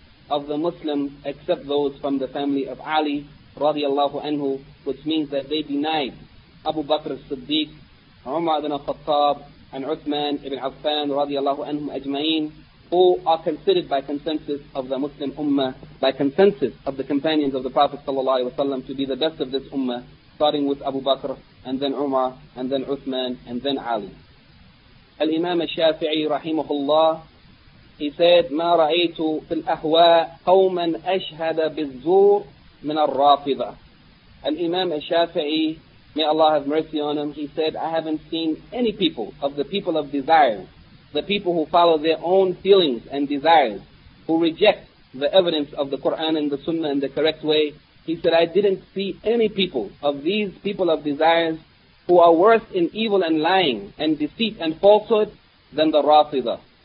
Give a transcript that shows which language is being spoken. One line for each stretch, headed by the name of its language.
English: of the Muslims, except those from the family of Ali radiallahu anhu, which means that they denied Abu Bakr as-Siddiq, Umar ibn al-Khattab, and Uthman ibn Affan radiallahu anhum ajma'in, who are considered by consensus of the Muslim Ummah, by consensus of the companions of the Prophet sallallahu alayhi wa sallam, to be the best of this Ummah, starting with Abu Bakr, and then Umar, and then Uthman, and then Ali. Al-Imam al-Shafi'i rahimahullah, he said,
Arabic: مَا رَأَيْتُ فِي الْأَهْوَاءِ قَوْمًا أَشْهَدَ بِالزُّورِ مِنَ الرَّافِضَةِ.
English: Al-Imam al-Shafi'i, may Allah have mercy on him, he said, I haven't seen any people of the people of desire, the people who follow their own feelings and desires, who reject the evidence of the Qur'an and the Sunnah in the correct way. He said, I didn't see any people of these people of desires who are worse in evil and lying and deceit and falsehood than the Rafida.